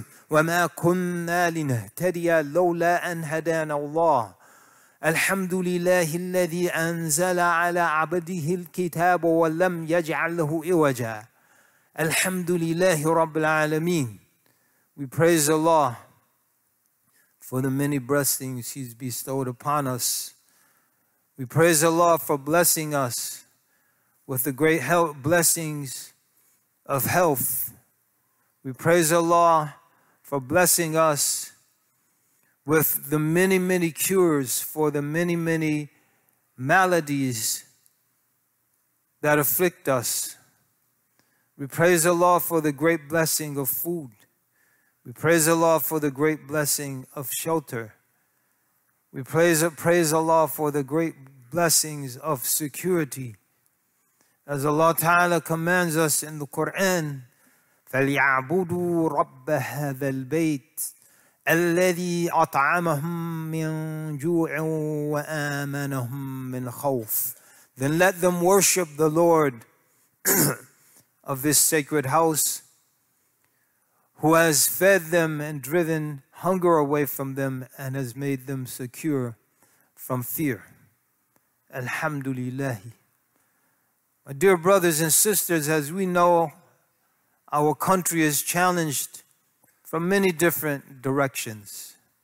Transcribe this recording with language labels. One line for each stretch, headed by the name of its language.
Arabic: وما كنا لنهتدي لولا أن هدانا الله الحمد لله الذي أنزل على عبده الكتاب ولم يجعل له عوجا الحمد لله رب العالمين
English: We praise Allah for the many blessings He's bestowed upon us. We praise Allah for blessing us with the great health, blessings of health. We praise Allah for blessing us with the many, many cures for the many, many maladies that afflict us. We praise Allah for the great blessing of food. We praise Allah for the great blessing of shelter. We praise Allah for the great blessings of security. As Allah Ta'ala commands us in the Quran,
Arabic: فَلْيَعْبُدُوا رَبَّ هَذَا الْبَيْتِ الذي أطعمهم من جوع وآمنهم من خوف.
English: Then let them worship the Lord of this sacred house, who has fed them and driven hunger away from them and has made them secure from fear. Alhamdulillah. My dear brothers and sisters, as we know, our country is challenged from many different directions.